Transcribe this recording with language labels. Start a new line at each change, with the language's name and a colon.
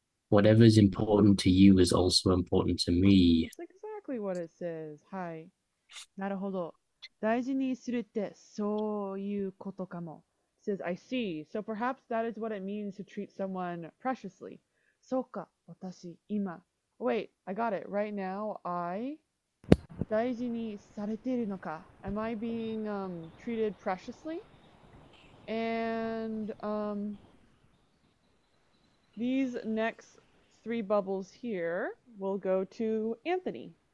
English: Whatever's important to you is also important to me. That's exactly what it says. Hi.
Japanese: なるほど。大事にするってそういうことかも。
English: It says, I see. So perhaps that is what it means to treat someone preciously.
Japanese: そうか、私、今。
English: Wait, I got it. Right now, I?
Japanese: 大事にされているのか。
English: Am I being treated preciously? And these next three bubbles here will go to Anthony.